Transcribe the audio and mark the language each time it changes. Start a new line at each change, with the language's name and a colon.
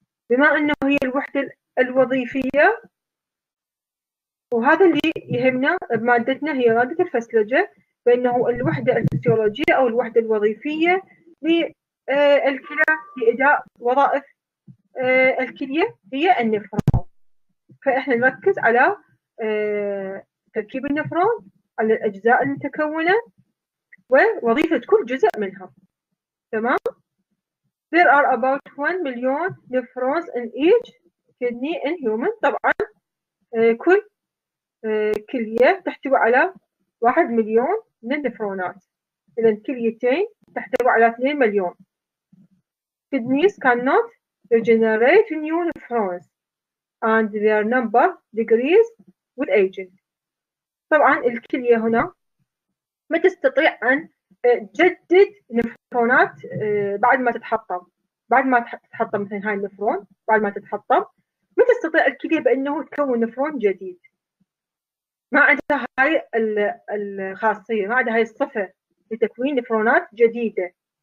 Arabic: بما أنه هي الوحدة الوظيفية وهذا اللي يهمنا بمادتنا هي مادة الفسلجة، بأنه الوحدة الفسيولوجية أو الوحدة الوظيفية للكلى لأداء وظائف الكلية هي النفرون. فإحنا نركز على تركيب النفرون، على الأجزاء المتكونة ووظيفة كل جزء منها. تمام؟
English: There are about 1 million nephrons in each kidney in human.
Arabic: طبعاً كل كلية تحتوي على 1 مليون من النفرونات. إذن كليتين تحتوي على 2 مليون.
English: Kidneys cannot regenerate new nephrons and their number decreases with aging.
Arabic: طبعاً الكلية هنا ما تستطيع أن تجدد نفرونات بعد ما تتحطم. بعد ما تتحطم مثلاً هاي النفرون، بعد ما تتحطم ما تستطيع الكلية بأنه تكون نفرون جديد. ما عندها هاي الخاصية، ما عندها هاي الصفة لتكوين نفرونات جديدة.